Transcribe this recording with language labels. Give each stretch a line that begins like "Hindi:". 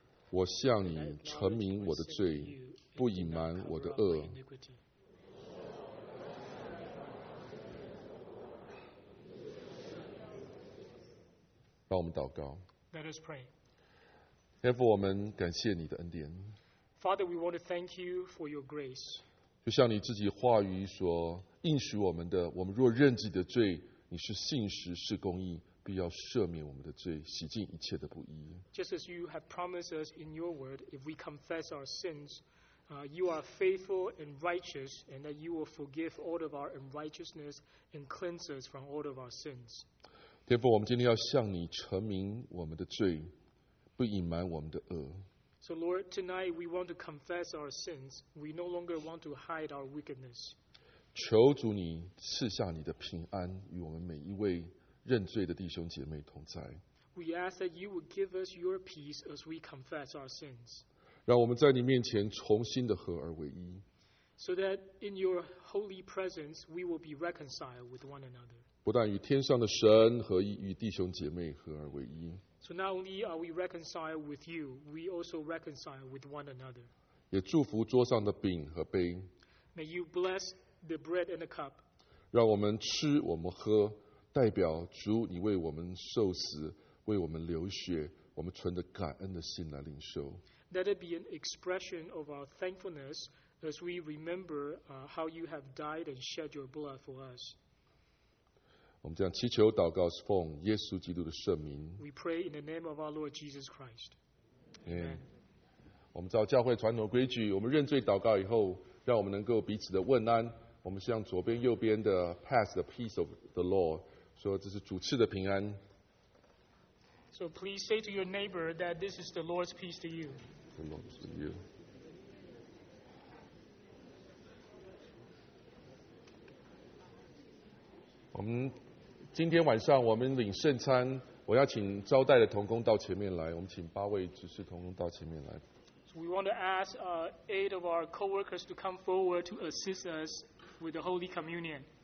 Chinese: 我向你陈明我的罪，不隐瞒我的恶。帮我们祷告。
English: Let us pray.
Chinese: 天父，我们感谢你的恩典。
English: Father, we want to thank you for your grace.
Chinese: 就像你自己话语所应许我们的，我们若认自己的罪，你是信实是公义，必要赦免我们的罪，洗净一切的不义。
English: Just as you have promised us in your word, if we confess our sins, you are faithful and righteous, and that you will forgive all of our unrighteousness and cleanse us from all of our sins.
Chinese: 天父，我们今天要向你陈明我们的罪。不隐瞒我们的恶。
English: So Lord, tonight we want to confess our sins. We no longer want to hide our wickedness.
Chinese: 求主你赐下你的平安与我们每一位认罪的弟兄姐妹同在。
English: We ask that you would give us your peace as we confess our sins.
Chinese: 让我们在你面前重新的合而为一。
English: So that in your holy presence we will be reconciled with one another.
Chinese: 不但与天上的神合一，与弟兄姐妹合而为一。
English: So not only are we reconciled with you, we also reconcile with one another.
Chinese: 也祝福桌上的饼和杯。
English: May you bless the bread and the cup.
Chinese: 让我们吃，我们喝，代表主你为我们受死，为我们流血，我们存着感恩的心来领受。
English: Let it be an expression of our thankfulness as we remember how you have died and shed your blood for us.
Chinese: 我们这样祈求祷告是奉耶稣基督的圣名。
English: We pray in the name of our Lord Jesus Christ. Amen.
Chinese: 我们照教会传统规矩，我们认罪祷告以后，让我们能够彼此的问安。我们向左边右边的
English: pass the peace of the Lord，
Chinese: 说这是主赐的平安。
English: So please say to your neighbor that this is the Lord's peace to you. The Lord's to you.
Chinese: We, 今天晚上我们领圣餐，我要请招待的同工到前面来。我们请八位执事同工到前面来。
English: So we want to ask eight of our co-workers to come forward to assist us with the Holy Communion.